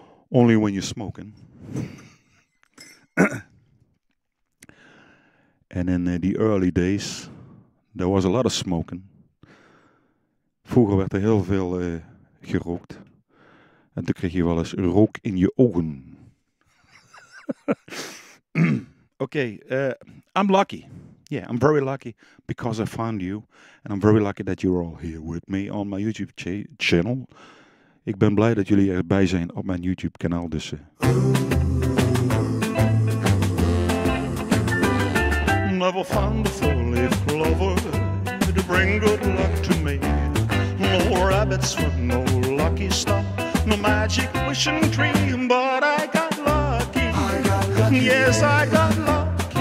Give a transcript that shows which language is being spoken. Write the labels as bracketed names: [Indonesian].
[English] Only when you're smoking. And in the early days, there was a lot of smoking. [Dutch] Vroeger werd er heel veel gerookt. En toen kreeg je wel eens rook in je ogen. [English] Oké, I'm lucky. Yeah, I'm very lucky because I found you. And I'm very lucky that you're all here with me on my YouTube channel. [Dutch] Ik ben blij dat jullie erbij zijn op mijn YouTube kanaal dus. [English] Never found a four-leaf clover to bring good luck to me. No rabbits with no lucky stuff, no magic wishing tree. But I got lucky, I got lucky. Yes, I got lucky,